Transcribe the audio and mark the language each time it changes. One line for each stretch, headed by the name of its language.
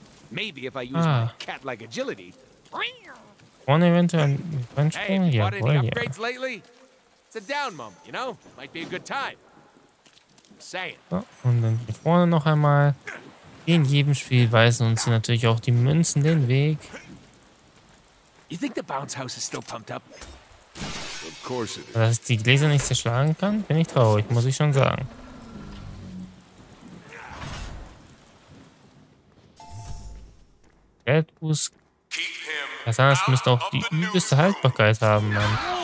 English: Maybe if I use my cat-like agility.
German: One eventuell ein Sprung? Jawohl, ja.
English: It's a down moment, you know? Might be a good time.
German: So, und dann hier vorne noch einmal. In jedem Spiel weisen uns natürlich auch die Münzen den Weg.
English: You think the bounce house is still pumped up? Of course it is.
German: Dass die Gläser nicht zerschlagen kann, bin ich traurig, muss ich schon sagen. Deadpool's. Das heißt, müsste auch die übelste Haltbarkeit haben, Mann.